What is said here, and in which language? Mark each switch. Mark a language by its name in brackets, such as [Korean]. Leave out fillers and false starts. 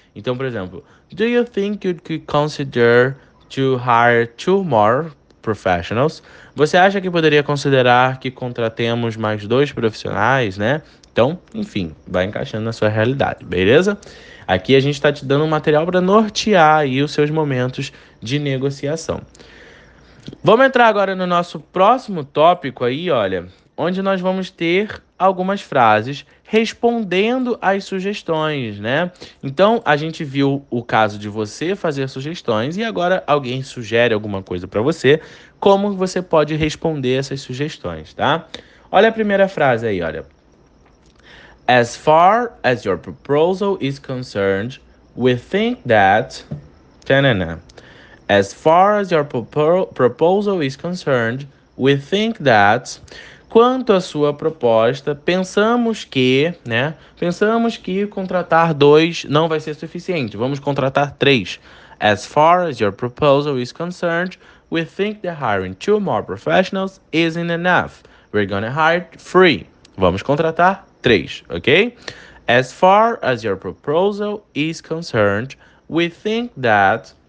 [Portuguese] Então, por exemplo, [English] do you think you could consider to hire two more professionals? [Portuguese] Você acha que poderia considerar que contratemos mais dois profissionais, né? Então, enfim, vai encaixando na sua realidade, beleza? Aqui a gente está te dando um material para nortear aí os seus momentos de negociação. Vamos entrar agora no nosso próximo tópico aí, olha, onde nós vamos ter algumas frases respondendo às sugestões, né? Então, a gente viu o caso de você fazer sugestões e agora alguém sugere alguma coisa para você, como você pode responder essas sugestões, tá? Olha a primeira frase aí, olha. [English] As far as your proposal is concerned, we think that. Tanana. As far as your proposal is concerned, we think that. [Portuguese] Quanto à sua proposta, pensamos que, né? Pensamos que contratar dois não vai ser suficiente. Vamos contratar três. [English] As far as your proposal is concerned, we think that hiring two more professionals isn't enough. We're gonna hire three. [Portuguese] Vamos contratar 3, ok? [English] As far as your proposal is concerned, we think that.